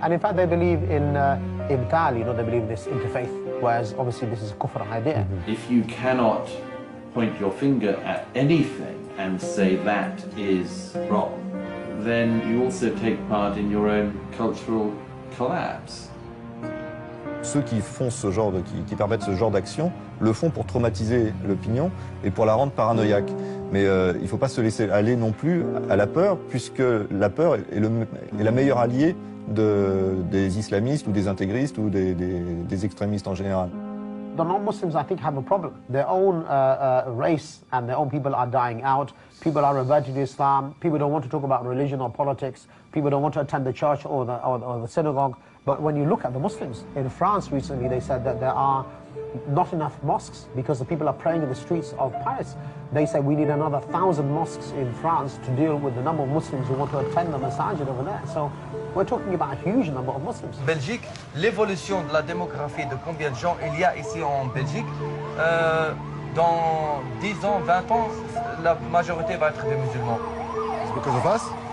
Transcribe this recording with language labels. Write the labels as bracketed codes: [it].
[en] And in fact, they believe in imtal, you know, they believe in this interfaith, whereas obviously this is a kufr idea. If you cannot point your finger at anything and say that is wrong, then you also take part in your own cultural collapse. [fr] Ceux qui font ce genre de, qui permettent ce genre d'action, le font pour traumatiser l'opinion et pour la rendre paranoïaque. Mais il ne faut pas se laisser aller non plus à la peur, puisque la peur est la meilleure alliée des islamistes ou des intégristes ou des extrémistes en général. [en] The non-Muslims, I think, have a problem. Their own race and their own people are dying out. People are reverting to Islam. People don't want to talk about religion or politics. People don't want to attend the church or the synagogue. But when you look at the Muslims in France recently, they said that there are not enough mosques because the people are praying in the streets of Paris. They say we need another 1,000 mosques in France to deal with the number of Muslims who want to attend the masajid over there. So we're talking about a huge number of Muslims. [fr] Belgique, l'évolution de la démographie, de combien de gens il y a ici en Belgique, dans 10 ans, 20 ans, la majorité va être des musulmans. C'est parce que ça passe.